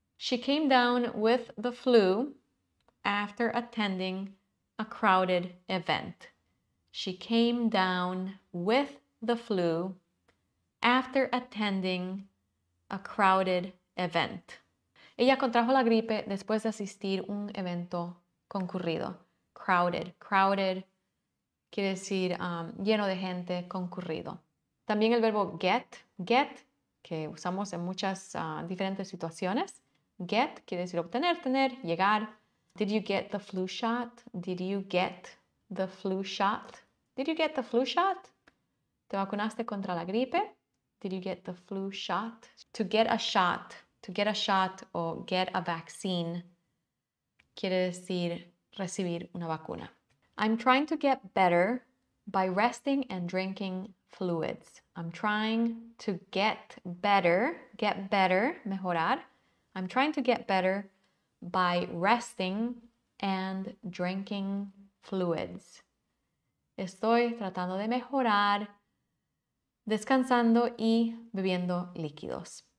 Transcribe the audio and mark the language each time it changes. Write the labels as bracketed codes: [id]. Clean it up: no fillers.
[en] She came down with the flu after attending a crowded event. She came down with the flu after attending a crowded event. [es] Ella contrajo la gripe después de asistir un evento concurrido. Crowded. Crowded quiere decir lleno de gente, concurrido. También el verbo get. Get, que usamos en muchas diferentes situaciones. Get quiere decir obtener, tener, llegar. [en] Did you get the flu shot? Did you get the flu shot? Did you get the flu shot? [es] ¿Te vacunaste contra la gripe? [en] Did you get the flu shot? To get a shot. To get a shot o get a vaccine [es] quiere decir recibir una vacuna. [en] I'm trying to get better by resting and drinking fluids. I'm trying to get better, mejorar. I'm trying to get better by resting and drinking fluids. [es] Estoy tratando de mejorar descansando y bebiendo líquidos.